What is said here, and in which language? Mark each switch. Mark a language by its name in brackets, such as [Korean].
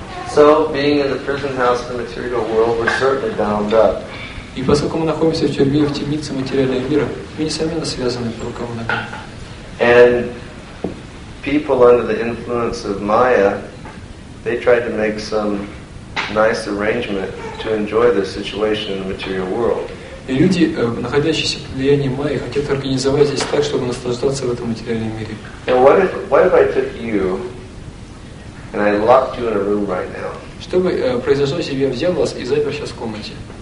[English] So, being in the prison house of the material world, we're certainly bound up. [Russian] И поскольку мы находимся в тюрьме, в темнице материального мира, мы несомненно связаны по рукам и ногам. [English] And people under the influence of Maya, they tried to make some nice arrangement to enjoy their situation in the material world. [Russian] И люди, находящиеся под влиянием Майи, хотят организовать здесь так, чтобы наслаждаться в этом материальном мире. [English] And what if I took you? And I locked you in a room right now. [Russian] Чтобы произошло, если бы я взял вас и запер сейчас в комнате.